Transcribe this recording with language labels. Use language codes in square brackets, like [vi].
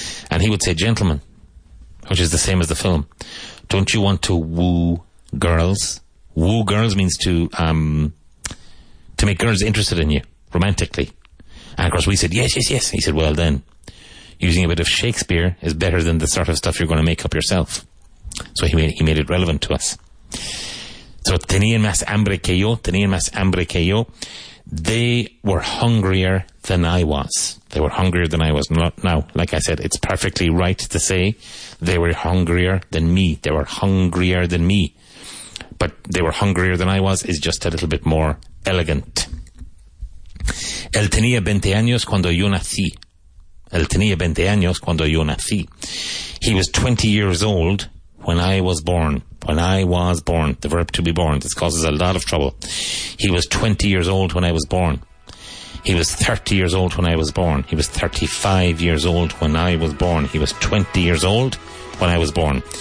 [en] And he would say, gentlemen, which is the same as the film, don't you want to woo girls? Woo girls means to make girls interested in you romantically. And of course we said, yes, yes, yes. He said, well then, using a bit of Shakespeare is better than the sort of stuff you're going to make up yourself. So he made it relevant to us. [es] So tenían más hambre que yo, tenían más hambre que yo. [en] They were hungrier than I was. They were hungrier than I was. Now, like I said, it's perfectly right to say they were hungrier than me. They were hungrier than me. But they were hungrier than I was is just a little bit more elegant. [es] Él tenía 20 años cuando yo nací. Él tenía 20 años cuando yo nací. [en] He was 20 years old when I was born. When I was born, the verb to be born, this causes a lot of trouble. He was 20 years old when I was born. He was 30 years old when I was born. He was 35 years old when I was born. He was 20 years old when I was born.